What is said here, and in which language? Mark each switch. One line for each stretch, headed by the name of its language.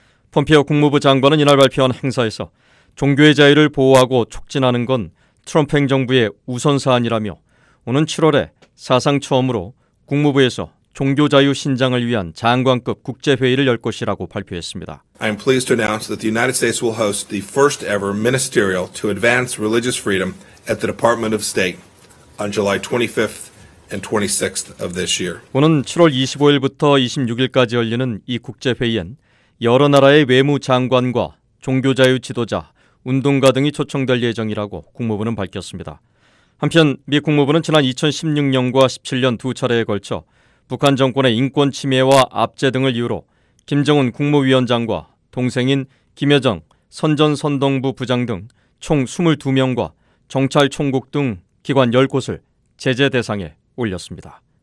Korean: 폼페이오 국무부 장관은 이날 발표한 행사에서 종교의 자유를 보호하고 촉진하는 건 트럼프 행정부의 우선사안이라며 오는 7월에 사상 처음으로 국무부에서 종교자유 신장을 위한 장관급 국제회의를 열 것이라고 발표했습니다.
English: I am pleased to announce that the United States will host the first ever ministerial to advance religious freedom at the Department of State on July 25th and 26th of this year.
Korean: 오는 7월 25일부터 26일까지 열리는 이 국제회의엔 여러 나라의 외무장관과 종교자유 지도자, 운동가 등이 초청될 예정이라고 국무부는 밝혔습니다. 한편 미 국무부는 지난 2016년과 17년 두 차례에 걸쳐 북한 정권의 인권 침해와 압제 등을 이유로 김정은 국무위원장과 동생인 김여정 선전선동부 부장 등 총 22명과 정찰총국 등 기관 10곳을 제재 대상에 올렸습니다.